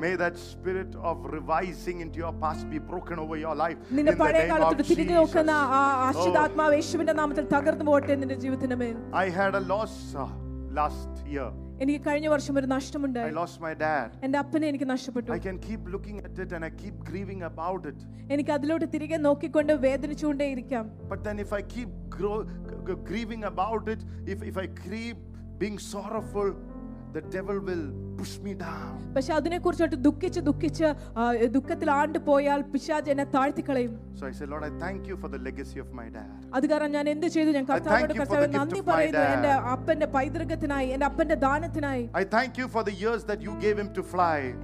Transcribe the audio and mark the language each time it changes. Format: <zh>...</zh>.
<en>May that spirit of revising into your past be broken over your life.</en> <ml>നിന്റെ പഴയ കാലത്തോട് തിരികെ നോക്കുന്ന ആ അശുദ്ധാത്മാവ് യേശുവിന്റെ നാമത്തിൽ തകർന്നു പോട്ടെ നിന്റെ ജീവിതത്തിന്മേൽ.</ml> <en>I had a loss last year.</en> <ml>എനിക്ക് കഴിഞ്ഞ വർഷം ഒരു നഷ്ടമുണ്ട്.</ml> <en>I lost my dad.</en> <ml>എന്റെ അപ്പനെ എനിക്ക് നഷ്ടപ്പെട്ടു.</ml> <en>I can keep looking at it and I keep grieving about it.</en> <ml>എനിക്ക് അതിലോട്ട് തിരികെ നോക്കിക്കൊണ്ട് വേദനിച്ചുകൊണ്ടേ ഇരിക്കാം.</ml> <en>But then if I keep grieving about it, if I keep being sorrowful, the devil will push me down.</en> <ml>പക്ഷേ അതിനെ കുറിച്ചിട്ട് ദുഃഖിച്ച് ദുഃഖത്തിൽ ആണ്ടു പോയാൽ പിശാച് എന്നെ താഴ്ത്തി കളയും.</ml> <en>So I said, Lord, I thank you for the legacy of my dad.</en> <ml>അതുകാരണം ഞാൻ എന്ത് ചെയ്തു? ഞാൻ കർത്താവോട് കർത്താവേ നന്ദി പറയുന്നു എന്റെ അപ്പന്റെ പൈതൃകത്തിനായി, എന്റെ അപ്പന്റെ ദാനത്തിനായി.</ml> <en>I thank you for the years that you gave him to fly.</en>